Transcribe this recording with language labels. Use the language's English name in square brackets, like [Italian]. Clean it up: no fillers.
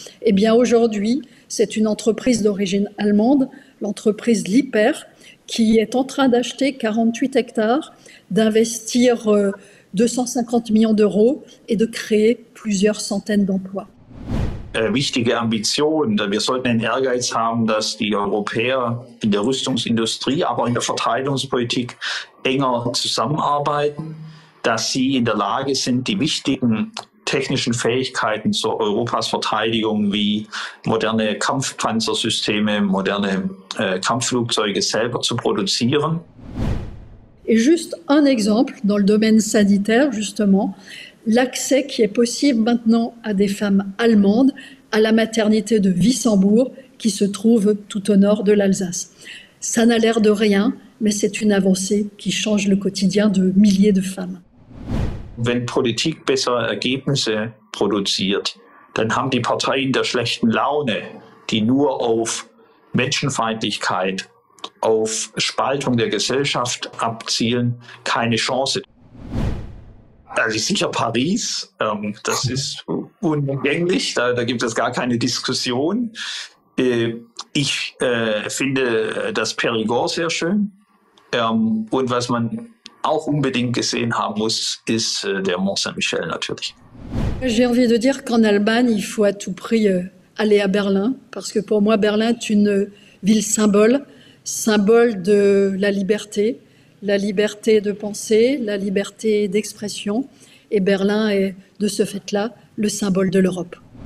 [French] Eh bien, aujourd'hui, c'est une entreprise d'origine allemande, l'entreprise Liper, qui est en train d'acheter 48 hectares, d'investir 250 millions d'euros et de créer plusieurs centaines d'emplois. [German] Wichtige Ambition. Wir sollten den Ehrgeiz haben, dass die Europäer in der Rüstungsindustrie, aber in der Verteidigungspolitik enger zusammenarbeiten, dass sie in der Lage sind, die wichtigen technischen Fähigkeiten zur Europas Verteidigung wie moderne Kampfpanzersysteme, moderne Kampfflugzeuge selber zu produzieren. [French] Et juste un exemple dans le domaine sanitaire, justement, l'accès qui est possible maintenant à des femmes allemandes à la maternité de Wissembourg, qui se trouve tout au nord de l'Alsace. Ça n'a l'air de rien, mais c'est une avancée qui change le quotidien de milliers de femmes. [German] Wenn Politik bessere Ergebnisse produziert, dann haben die Parteien der schlechten Laune, die nur auf Menschenfeindlichkeit, auf Spaltung der Gesellschaft abzielen, keine Chance. Also sicher Paris, das ist unumgänglich, da gibt es gar keine Diskussion. Ich finde das Périgord sehr schön. Und was man auch unbedingt gesehen haben muss, ist der Mont Saint-Michel natürlich. [French] J'ai envie de dire qu'en Allemagne, il faut à tout prix aller à Berlin, parce que pour moi, Berlin est une ville symbole, symbole de la liberté de penser, la liberté d'expression, et Berlin est de ce fait-là le symbole de l'Europe.